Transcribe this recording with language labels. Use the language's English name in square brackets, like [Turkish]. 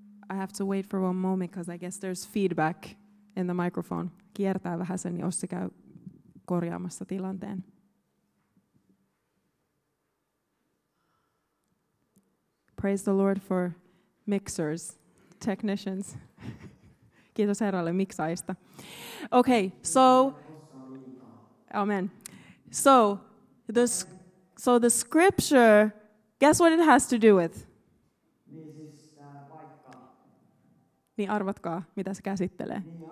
[English] I have to wait for one moment because I guess there's feedback in the microphone. [Finnish] Kiertää vähän sen, niin Ossi käy korjaamassa tilanteen. [English] Praise the Lord for mixers, technicians. [Finnish] Kiitos Herralle miksaista. [English] Okay, so amen. So the scripture, guess what it has to do with? [Finnish] Niin arvatkaa, mitä se käsittelee.